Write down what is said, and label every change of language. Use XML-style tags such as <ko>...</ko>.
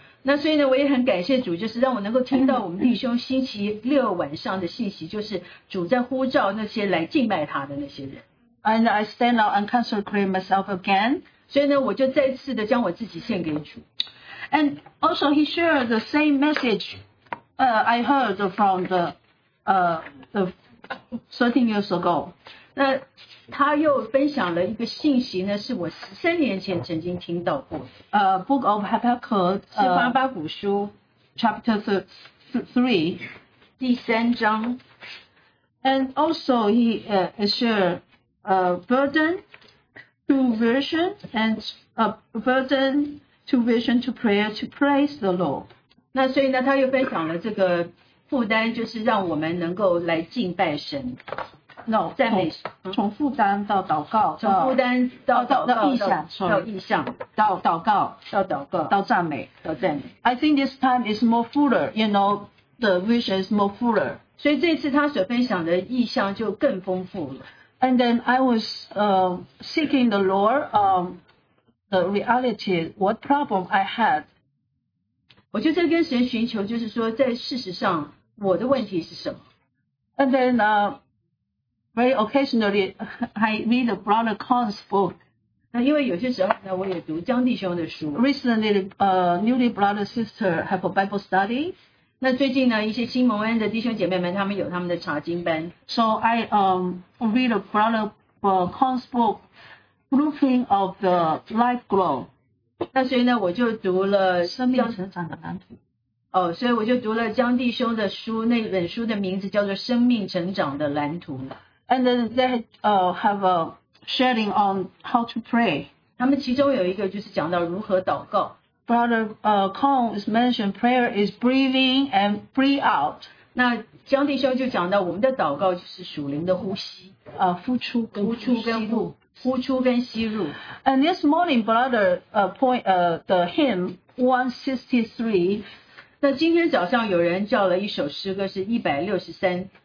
<zh>那所以呢，我也很感谢主，就是让我能够听到我们弟兄星期六晚上的信息，就是主在呼召那些来敬拜他的那些人。</zh> <en>And I stand out and consecrate myself again.</en> <zh>所以呢，我就再次的将我自己献给主。</zh> <en>And also he shared the same message, I heard from the 13 years ago.</en> <zh>那他又分享了一个信息呢，是我13年前曾经听到过的。</zh> <en>Book of Habakkuk,</en> <zh>是哈巴谷书</zh> <en>，Chapter 3,</en> <zh>第三章。</zh> <en>And also he shared a burden to vision and a burden to vision to prayer to praise the Lord.</en> <zh>那所以呢，他又分享了这个负担，就是让我们能够来敬拜神。</zh> <en>No,</en> <zh>从负担到祷告，从负担到意向，到意向，到祷告，到祷告，到赞美，到赞美。</zh> <en>I think this time is more fuller, you know, the vision is more fuller.</en> <zh>所以这次他所分享的意向就更丰富了。</zh> <en>And then I was seeking the Lord, the reality, what problem I had.</en> <zh>我就在跟神寻求，就是说，在事实上我的问题是什么。</zh> <en>And then Very occasionally, I read Brother Kong's book.</en> <zh>那因为有些时候呢，我也读江弟兄的书。</zh> <en>Recently, newly brother sister have a Bible study.</en> <zh>那最近呢，一些新蒙恩的弟兄姐妹们，他们有他们的查经班。</zh> <en>So I read Brother Kong's book, Blueprint of the Life Grow.</en> <zh>那所以呢，我就读了生命成长的蓝图。哦，所以我就读了江弟兄的书，那本书的名字叫做《生命成长的蓝图》。</zh> <en>And then they have a sharing on how to pray.</en> <zh>他们其中有一个就是讲到如何祷告。</zh> <en>Brother Kong is mentioned prayer is breathing and breathe out.</en> <zh>那江弟兄就讲到我们的祷告就是属灵的呼吸，呼出跟吸入。</zh> <en>And this morning, Brother the hymn 163.</en> <zh>那今天早上有人叫了一首诗歌，是163</zh>